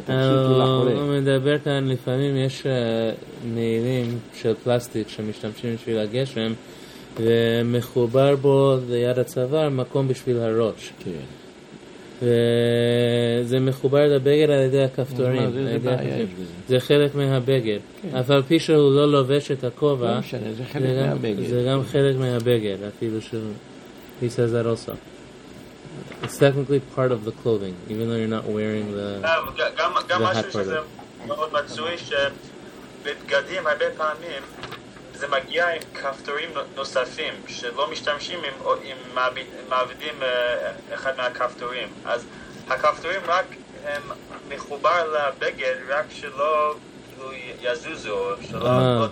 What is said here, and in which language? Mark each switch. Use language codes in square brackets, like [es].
[he] הוא מדבר כאן, לפעמים יש נעילים של פלסטיק שמשתמשים בשביל הגשם, ומחובר בו ליד הצוואר מקום בשביל הראש. כן. וזה מחובר לבגד על ידי הכפתורים, זה חלק מהבגד, אף על פי שהוא לא לובש את הכובע, זה גם חלק מהבגד, אפילו שהוא פיסה זרוסה. [en] It's technically part of the clothing, even though you're not wearing the hat. [he] גם משהו שזה מאוד מצוי, שבגדים הרבה פעמים זה מגיע עם כפתורים נוספים שלא משתמשים אם מעבידים אחד מהכפתורים. אז הכפתורים רק הם מחובר לבגד, רק שלא יזוזו, שלא